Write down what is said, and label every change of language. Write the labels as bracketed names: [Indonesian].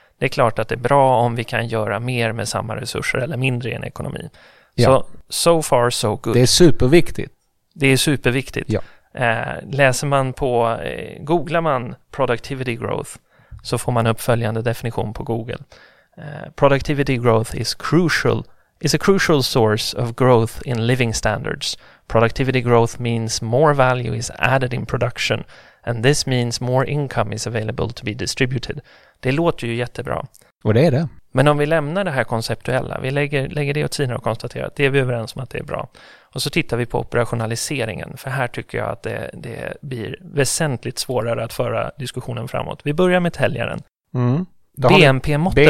[Swedish] Det är klart att det är bra om vi kan göra mer med samma resurser eller mindre i en ekonomi. Ja. [English] So far so good. [Swedish] Det är superviktigt. Det är superviktigt. Ja. Läser man på, googlar man productivity growth så får man uppföljande definition på Google. [English] Productivity growth is crucial. It's a crucial source of growth in living standards. Productivity growth means more value is added in production. And this means more income is available to be distributed. [Swedish] Det låter ju jättebra. Och det är det. Men om vi lämnar det här konceptuella, vi lägger det åt sidan och konstaterar att det är vi överens om att det är bra. Och så tittar vi på operationaliseringen. För här tycker jag att det blir väsentligt svårare att föra diskussionen framåt. Vi börjar med täljaren. Mm. BNP-måttet.